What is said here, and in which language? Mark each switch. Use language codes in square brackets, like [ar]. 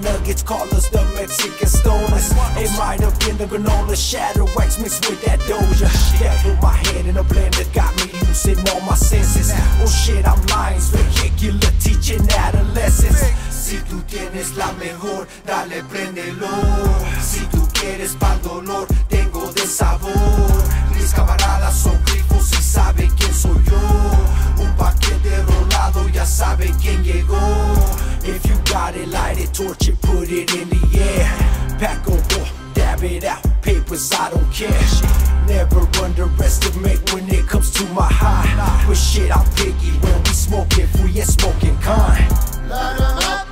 [en] kids call us the Mexican stoners. It might have been the granola shatter wax mixed with that Doja. That blew my head in a blender, got me using all my senses. Oh shit, I'm lying, vehicular teaching adolescents. [es] Si tú tienes la mejor, dale prendelo. Si tú quieres pa'l dolor, tengo de sabor. Mis camaradas son grifos y saben quién soy yo. Un paquete rolado, ya saben quién llegó. [en] If you got it, light it, torch it, put it in the air. Pack a war, dab it out, papers, I don't care. Never underestimate when it comes to my high. But shit, I'm picky when we smoke if we ain't smoking kind.